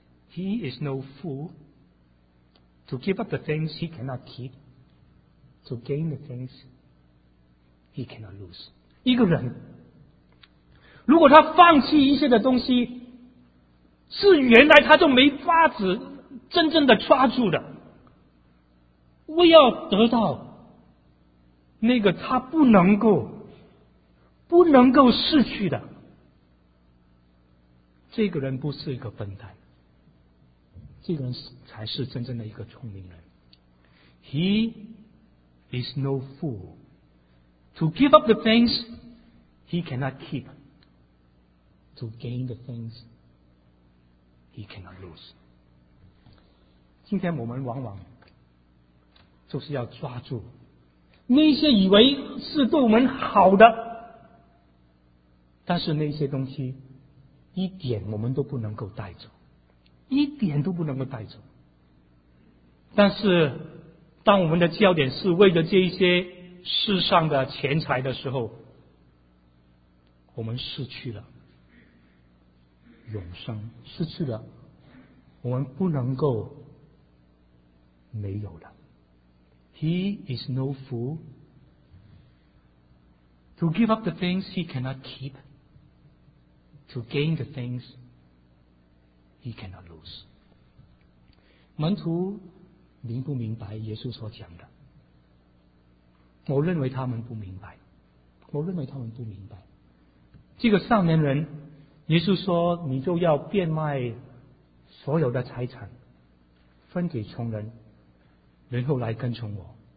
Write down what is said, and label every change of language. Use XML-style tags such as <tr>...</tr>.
<en>He is no fool to give up the things he cannot keep to gain the things he cannot lose.</en> <zh>一个人如果他放弃一些的东西是原来他就没法子真正的抓住的，为要得到那个他不能够失去的，这个人不是一个笨蛋，这个人才是真正的一个聪明人。</zh> <en>He is no fool to give up the things he cannot keep to gain the things he cannot lose.</en> <zh>今天我们往往就是要抓住那些以为是对我们好的，但是那些东西一点我们都不能够带走，一点都不能够带走。但是当我们的焦点是为了这一些世上的钱财的时候，我们失去了永生，失去了我们不能够没有的。</zh> <en>He is no fool to give up the things he cannot keepto gain the things he cannot lose.</en> <zh>门徒明不明白耶稣所讲的？我认为他们不明白，我认为他们不明白。这个少年人，耶稣说你就要变卖所有的财产分给穷人，然后来跟从我。</zh>